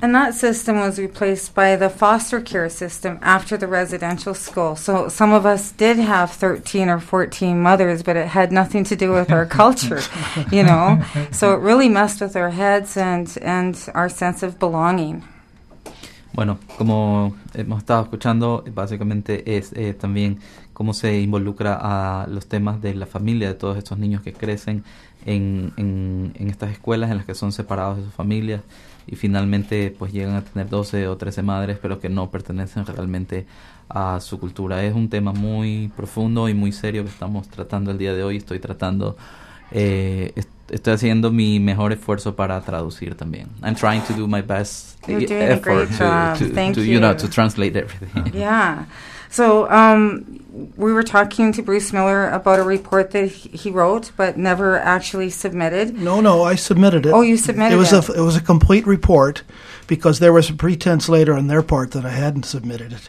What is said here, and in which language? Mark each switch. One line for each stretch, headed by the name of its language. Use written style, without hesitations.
English: And that system was replaced by the foster care system after the residential school. So some of us did have 13 or 14 mothers, but it had nothing to do with our culture, you know. So it really messed with our heads and our sense of belonging.
Spanish: Bueno, como hemos estado escuchando, básicamente es también cómo se involucra a los temas de la familia, de todos estos niños que crecen en estas escuelas en las que son separados de sus familias y finalmente pues llegan a tener 12 o 13 madres, pero que no pertenecen realmente a su cultura. Es un tema muy profundo y muy serio que estamos tratando el día de hoy. Estoy tratando, estoy haciendo mi mejor esfuerzo para traducir también.
English: I'm trying to do my best effort to translate everything. Yeah. So we were talking to Bruce Miller about a report that he wrote but never actually submitted. No, I submitted it. Oh, you submitted it. It was a complete report because there was a pretense later on their part that I hadn't submitted it.